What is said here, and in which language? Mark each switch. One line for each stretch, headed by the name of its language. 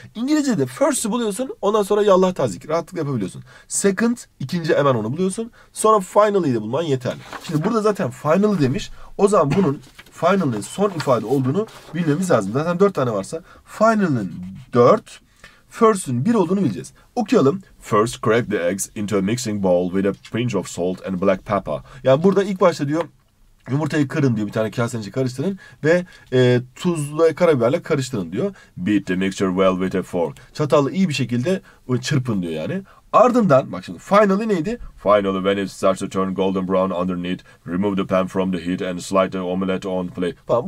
Turkish: İngilizce'de first'ı buluyorsun. Ondan sonra ya Allah tazik. Rahatlıkla yapabiliyorsun. Second, ikinci, hemen onu buluyorsun. Sonra finally'i de bulman yeterli. Şimdi burada zaten finally demiş. O zaman bunun finally'in son ifade olduğunu bilmemiz lazım. Zaten dört tane varsa finally'in dört, first'ün bir olduğunu bileceğiz. Okuyalım.
English: First, crack the eggs into a mixing bowl with a pinch of salt and black pepper.
Turkish: Yani burada ilk başta diyor, yumurtayı kırın diyor. Bir tane kasenin içine karıştırın ve tuzla karabiberle karıştırın diyor.
English: Beat the mixture well with a fork.
Turkish: Çatalla iyi bir şekilde çırpın diyor yani. Ardından bak şimdi finally neydi?
English: Finally when it starts to turn golden brown underneath, remove the pan from the heat and slide the omelette on plate. Falan.